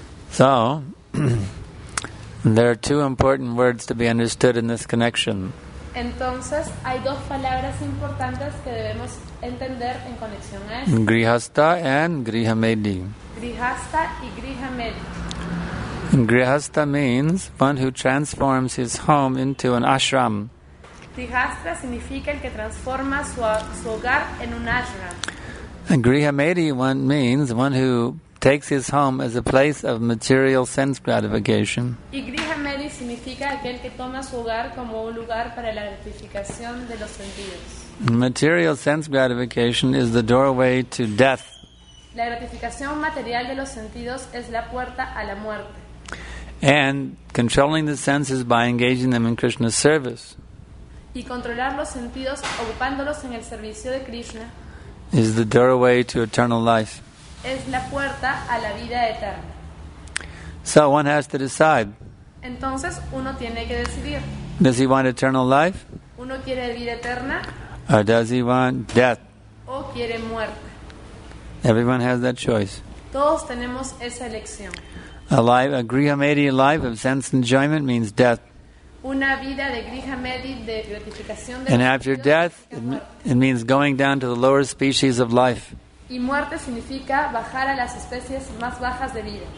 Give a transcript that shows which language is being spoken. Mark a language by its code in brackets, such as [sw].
[en] So, there are two important words to be understood in this connection. [es] Entonces, hay dos palabras importantes que debemos entender en conexión a esto. [en] Grihastha and Grihamedi. [es] Grihastha y Grihamedi. [en] Grihastha means one who transforms his home into an ashram. [es] Grihastha significa el que transforma su hogar en un ashram. [en] And Grihamedi one means one who takes his home as a place of material sense gratification. [es] Y Grihamedi significa aquel que toma su hogar como un lugar para la gratificación de los sentidos. [en] Material sense gratification is the doorway to death. [es] La gratificación material de los sentidos es la puerta a la muerte. [en] And controlling the senses by engaging them in Krishna's service. [es] Y controlar los sentidos ocupándolos en el servicio de Krishna. [en] Is the doorway to eternal life. [es] Es la puerta a la vida eterna. [en] So one has to decide. [es] Entonces uno tiene que decidir. [en] Does he want eternal life? [es] Uno quiere vida eterna. [en] Or does he want death? [es] O quiere muerte. [en] Everyone has that choice. [es] Todos tenemos esa elección. [en] A Grihamedi life of sense enjoyment means death. [es] Una vida de Grihamedi de gratificación de [en] And after death, it means going down to the lower species of life. [es] Y muerte significa bajar a las especies más bajas de vida.